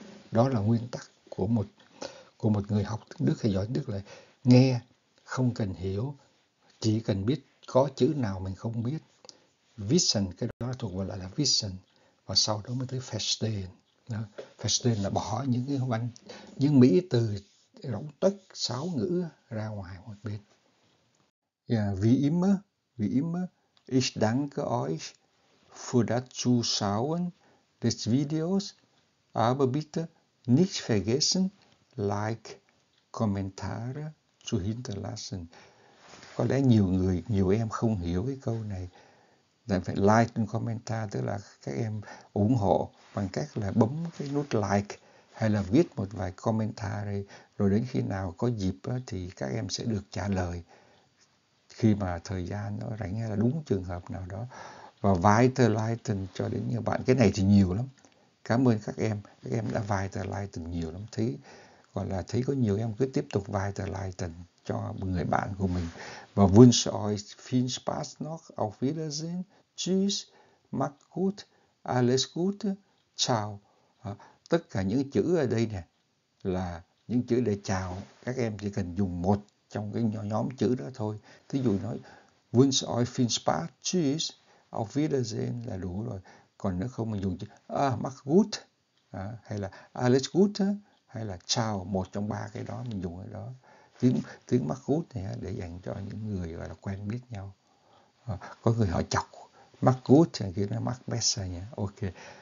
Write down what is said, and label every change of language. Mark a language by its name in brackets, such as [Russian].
[Vietnamese] Đó là nguyên tắc của một người học Đức hay giỏi Đức, là nghe không cần hiểu, chỉ cần biết có chữ nào mình không biết. Vision, cái đó thuộc vào là vision. Và sau đó mới tới verstehen. Verstehen là bỏ những mỹ từ rỗng tuếch sáo ngữ ra ngoài một bên. [German] Wie immer, ich danke euch für das Zuschauen des Videos, aber bitte nicht vergessen, Like, Kommentare zu hinterlassen. [Vietnamese] Có lẽ nhiều người, nhiều em không hiểu cái câu này. Nên phải like và commentar, tức là các em ủng hộ bằng cách là bấm cái nút like hay là viết một vài commentary, rồi đến khi nào có dịp thì các em sẽ được trả lời. Khi mà thời gian nó rảnh hay là đúng trường hợp nào đó. Và weiterleiten cho đến nhiều bạn. Cái này thì nhiều lắm. Cảm ơn các em. Các em đã weiterleiten nhiều lắm. Thấy có nhiều em cứ tiếp tục weiterleiten cho người bạn của mình. [German] Và wünsche euch viel Spaß noch. Auf Wiedersehen. Tschüss. Macht gut. Alles gut. Ciao. [Vietnamese] Tất cả những chữ ở đây nè là những chữ để chào. Các em chỉ cần dùng một trong cái nhóm chữ đó thôi. Thí dụ nói [German] wünsche euch viel Spaß, tschüss, auf Wiedersehen [Vietnamese] là đủ rồi. Còn nếu không mình dùng chữ [German] mach gut, [Vietnamese] hay là [German] alles gut, [Vietnamese] hay là ciao, một trong ba cái đó mình dùng ở đó. Tiếng mach gut này để dành cho những người gọi là quen biết nhau. Có người họ chọc [German] mach gut [Vietnamese] thì kia nó [German] mach besser [Vietnamese] nhỉ. Ok.